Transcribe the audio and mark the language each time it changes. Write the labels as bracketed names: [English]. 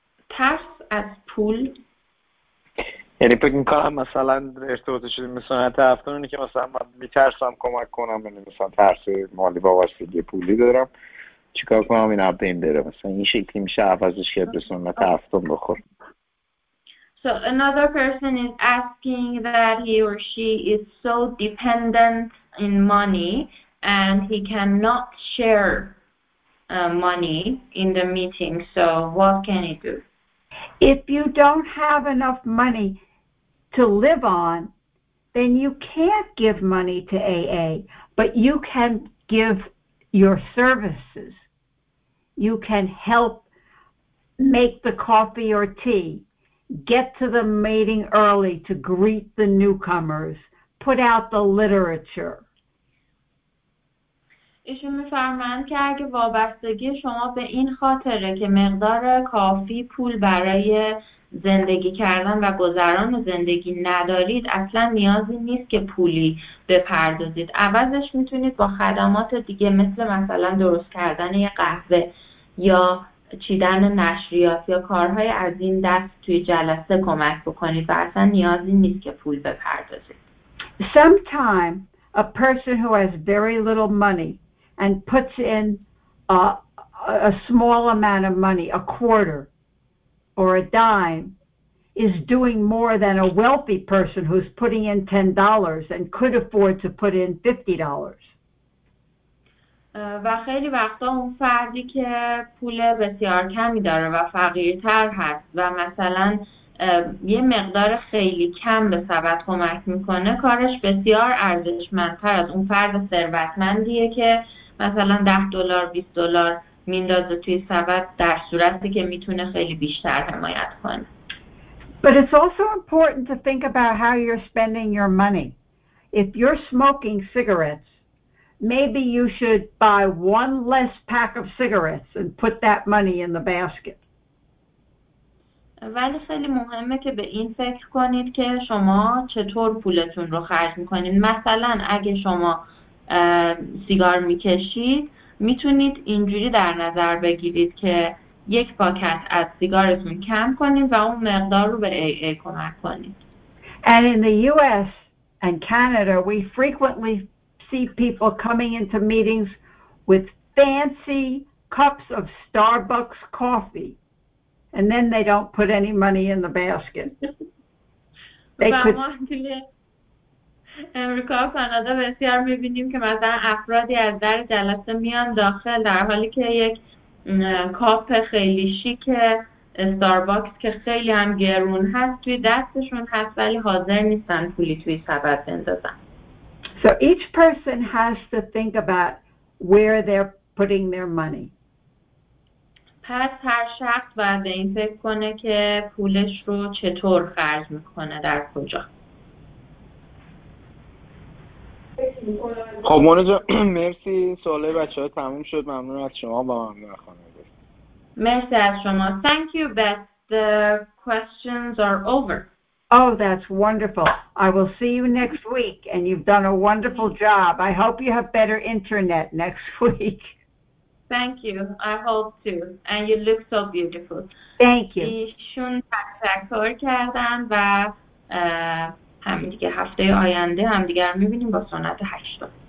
[Persian] ترس از پول یعنی فکر میکنم مثلا ارتباط شدیم به سنت هفتم اینه که مثلا من میترسم کمک کنم، یعنی مثلا ترس مالی با وابستگی پولی دارم، چیکار کنم این آب این بره؟ مثلا این شکلی میشه عوضش کرد به سنت هفتم بخور. [English] So another person is asking that he or she is so dependent in money and he cannot share money in the meeting. So what can he do? If you don't have enough money to live on, then you can't give money to AA, but you can give your services. You can help make the coffee or tea, get to the meeting early to greet the newcomers, put out the literature. [Persian] ایشون می‌فرمایند که اگه وابستگی شما به این خاطره که مقدار کافی پول برای زندگی کردن و گذران زندگی ندارید، اصلا نیازی نیست که پولی بپردازید. عوضش میتونید با خدمات دیگه مثل مثلا درست کردن یه قهوه یا چیدن نشریات یا کارهای از این دست توی جلسه کمک بکنید و اصلا نیازی نیست که پول بپردازید. [English] Sometime a person who has very little money and puts in a small amount of money, a quarter or a dime, is doing more than a wealthy person who's putting in $10 and could afford to put in $50. [Persian] و خیلی وقتا اون فردی که پول بسیار کمی داره و فقیرتر هست و مثلا یه مقدار خیلی کم به سبد کمک میکنه، کارش بسیار ارزشمندتر از اون فرد ثروتمندیه که مثلا $10 $20 میندازه توی سبد، در صورتی که میتونه خیلی بیشتر حمایت کنه. [English] But it's also important to think about how you're spending your money. If you're smoking cigarettes, maybe you should buy one less pack of cigarettes and put that money in the basket. [Persian] ولی خیلی مهمه که به این فکر کنید که شما چطور پولتون رو خرج میکنید. مثلا اگه شما سیگار میکشید، میتونید اینجوری در نظر بگیرید که یک پاکت از سیگارتون کم کنید و اون مقدار رو به AA کمک کنید. [English] And in the US and Canada, we frequently see people coming into meetings with fancy cups of Starbucks coffee. And then they don't put any money in the basket. They could. [Persian] امریکا و کانادا بسیار می‌بینیم که مثلا افرادی از در جلسه میان داخل در حالی که یک کاپ خیلی شیک استارباکس که خیلی هم گرون هست توی دستشون هست، ولی حاضر نیستن پولی توی سبد بندازن. [English] So each person has to think about where they're putting their money. [Persian] پس هر شخص باید به این فکر کنه که پولش رو چطور خرج میکنه، در کجا. خب مونه جا مرسی، سوالای بچه ها تموم شد. ممنون از شما و ممنون از خانواده. مرسی از شما. [English] Thank you, Beth. The questions are over. Oh, that's wonderful. I will see you next week, and you've done a wonderful job. I hope you have better internet next week. Thank you. I hope too. And you look so beautiful. Thank you. [Persian] ایشون تشکر کردن و همین دیگه هفته آینده همدیگر میبینیم با سنت هشتم.